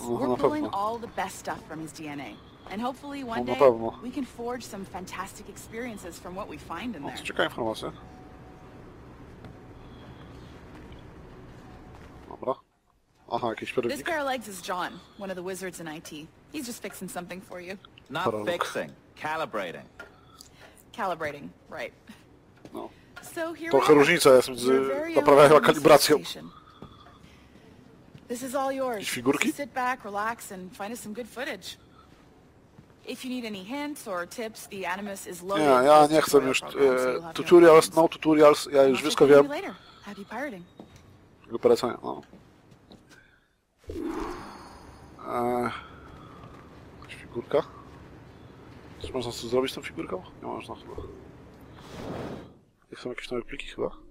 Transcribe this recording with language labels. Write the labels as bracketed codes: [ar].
[en] We're pulling all the best stuff from his DNA. And hopefully one day we can forge some fantastic experiences from what we find in there. [pl] Czekaj informacje. Dobra. Aha, jakiś perwnik. [en] This pair of legs is John, one of the wizards in IT. He's just fixing something for you. Not fixing, calibrating. Calibrating, right. No. So here [pl] trochę różnica jest między naprawianiem a kalibracją. [en] This is all yours. [pl] Jakieś figurki? [en] Sit back, relax and find us some good footage. If you need any hints or tips, the Animus is loaded. [pl] Nie, ja nie chcę już tutorials, [en] no tutorials, [pl] ja już wszystko wiem. [en] Happy pirating. [pl] Go polecam, no. Figurka. Czy można coś zrobić z tą figurką? Nie można chyba. Jest tam jakieś nowe pliki chyba?